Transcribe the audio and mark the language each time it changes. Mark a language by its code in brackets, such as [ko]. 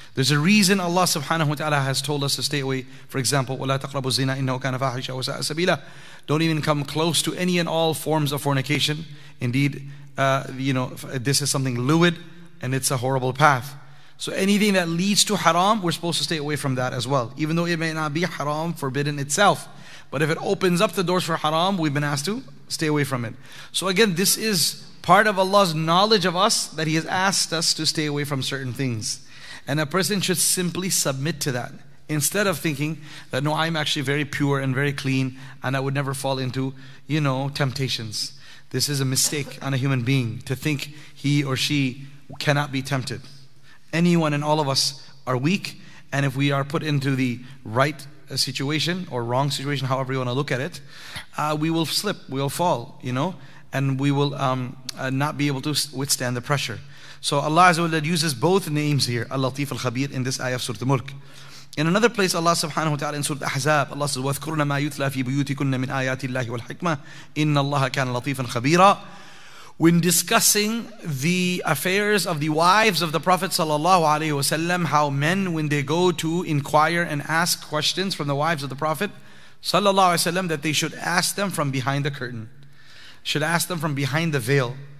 [en] There's a reason Allah subhanahu wa ta'ala has told us to stay away. For example, [ar] وَلَا تَقْرَبُوا الزِّنَا إِنَّهُ كَانَ فَاحِشًا وَسَاءَ سَبِيلًا. [en] Don't even come close to any and all forms of fornication. Indeed, this is something lewd and it's a horrible path. So anything that leads to haram, we're supposed to stay away from that as well. Even though it may not be haram, forbidden itself. But if it opens up the doors for haram, we've been asked to stay away from it. So again, this is part of Allah's knowledge of us, that He has asked us to stay away from certain things. And a person should simply submit to that, instead of thinking that, no, I'm actually very pure and very clean, and I would never fall into, you know, temptations. This is a mistake on a human being, to think he or she cannot be tempted. Anyone and all of us are weak, and if we are put into the right situation or wrong situation, however you want to look at it, we will slip, we will fall, you know, and we will not be able to withstand the pressure. So Allah Azza wa Jalla uses both names here, Al-Latif Al-Khabir, in this ayah of Surah Al-Mulk. In another place, Allah subhanahu wa ta'ala in Surah Al-Ahzab, Allah says, [ar] وَاذْكُرْنَا مَا يُتْلَى فِي بُيُوتِكُنَّ مِنْ آيَاتِ اللَّهِ وَالْحِكْمَةِ إِنَّ اللَّهَ كَانَ لَطِيفًا خَبِيرًا. [en] when discussing the affairs of the wives of the Prophet sallallahu alaihi wasallam, how men, when they go to inquire and ask questions from the wives of the Prophet sallallahu alaihi wasallam, that they should ask them from behind the curtain, should ask them from behind the veil.